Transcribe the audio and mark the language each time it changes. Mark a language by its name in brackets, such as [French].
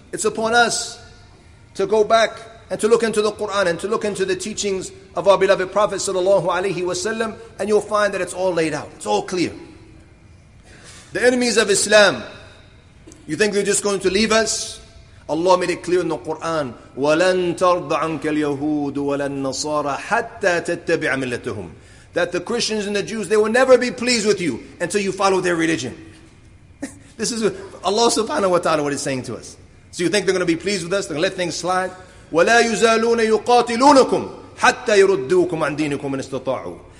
[English] It's upon us to go back and to look into the Qur'an and to look into the teachings of our beloved Prophet sallallahu alayhi wa sallam, and you'll find that it's all laid out. It's all clear. The enemies of Islam, you think they're just going to leave us? Allah made it clear in the Qur'an, [Arabic] وَلَن تَرْضَ عَنْكَ الْيَهُودُ وَلَن نَصَارَ حَتَّى تَتَّبِعَ مِلَّتَهُمْ. [English] That the Christians and the Jews, they will never be pleased with you until you follow their religion. This is Allah subhanahu wa ta'ala what He's saying to us. So you think they're going to be pleased with us? They're going to let things slide? [Arabic] وَلَا يُزَالُونَ يُقَاتِلُونَكُمْ حَتَّى يُرُدُّوكُمْ عَنْ دِينِكُمْ إِنْ اسْتَطَاعُوا.